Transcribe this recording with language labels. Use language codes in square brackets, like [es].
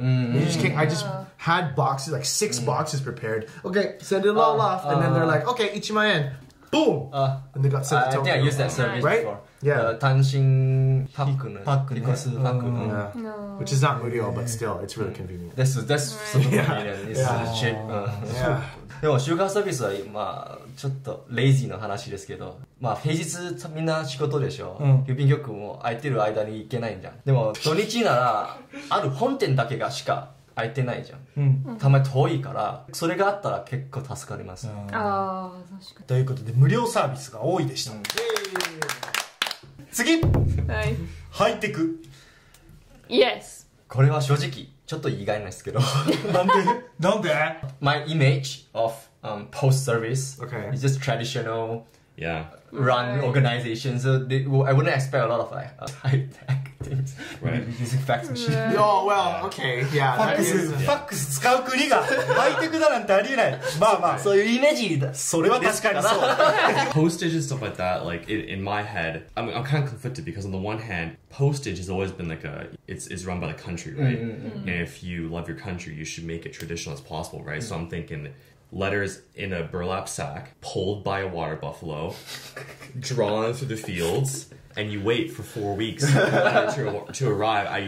[en] I just had boxes, like six boxes prepared. Okay, send it all off, and then they're like, okay, ichimayen, boom, and they got sent to Tokyo. I think I used that service before. Yeah. 単身パックの、 [ja] パックね。 [en] because パック、 no. Which is not 無料、but still, it's really convenient. That's super convenient. It's super cheap. [ja] でも、シュガーサービスは、まあ、ちょっと、レイジーの話ですけど、まあ、平日、みんな仕事でしょ。うん、郵便局も空いてる間に行けないんじゃん。でも、土日なら、ある本店だけがしか空いてないじゃん。うん、たまに遠いから、それがあったら結構助かります。うん、ああ、確かに。ということで、無料サービスが多いでした。うん、次、はい、ハイテク。 [en] Yes。 [ja] これは正直ちょっと意外なんですけど。なんで？なんで [en] ？My image of post service、 okay. is just traditional, yeah, run organizations. I wouldn't expect a lot of like high tech things. Maybe disinfect machine. Oh well, okay, yeah. [ja] ファックス使う国がハイテクだなんてありえない。まあまあ、そういうイメージだ。それは確かにそう。 [en] Postage and stuff like that, like in my head, I'm kind of conflicted because on the one hand, postage has always been like it's run by the country, right? Mm-hmm. Mm-hmm. And if you love your country, you should make it traditional as possible, right? Mm-hmm. So I'm thinking. Letters in a burlap sack pulled by a water buffalo, drawn through the fields, and you wait for 4 weeks to arrive.